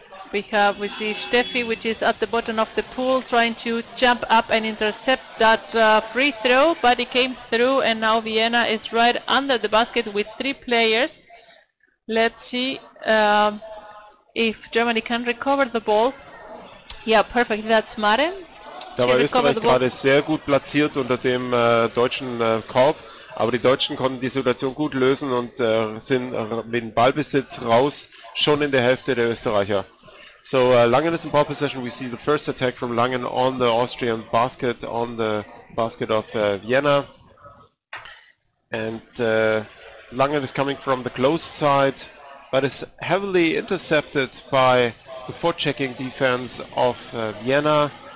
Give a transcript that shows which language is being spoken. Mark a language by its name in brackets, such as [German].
[English] We have with the Steffi, which is at the bottom of the pool, trying to jump up and intercept that free throw, but it came through, and now Vienna is right under the basket with three players. Let's see if Germany can recover the ball. Yeah, perfect. That's Maren. [German] Da war Österreich gerade sehr gut platziert unter dem deutschen Korb. Aber die Deutschen konnten die Situation gut lösen und sind mit dem Ballbesitz raus, schon in der Hälfte der Österreicher. [English] So Langen is in ball possession. We see the first attack from Langen on the Austrian basket, on the basket of Vienna. And Langen is coming from the close side, but is heavily intercepted by the forechecking defense of Vienna.